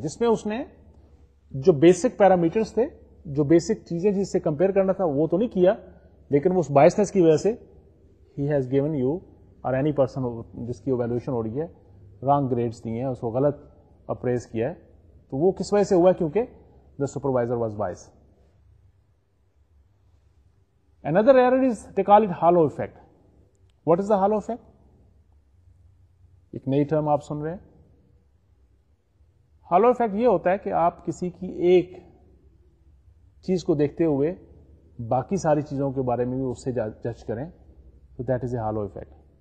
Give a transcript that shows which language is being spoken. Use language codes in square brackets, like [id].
[ur] جس میں اس نے جو بیسک پیرامیٹرز تھے, جو بیسک چیزیں جس سے کمپیئر کرنا تھا وہ تو نہیں کیا, لیکن وہ اس بائسنس کی وجہ سے ہی [en] has given you اور any person [ur] جس کی ویلویشن ہو رہی ہے [en] wrong grades [ur] دی ہیں, اس کو غلط اپریز کیا ہے. تو وہ کس وجہ سے ہوا ہے؟ کیونکہ [en] The supervisor was bias. Another error is they call it halo effect. What is the halo effect? [ur] ایک نئی ٹرم آپ سن رہے ہیں. ہالو افیکٹ یہ ہوتا ہے کہ آپ کسی کی ایک چیز کو دیکھتے ہوئے باقی ساری چیزوں کے بارے میں بھی اس سے جج کریں. تو [en] That is a halo effect.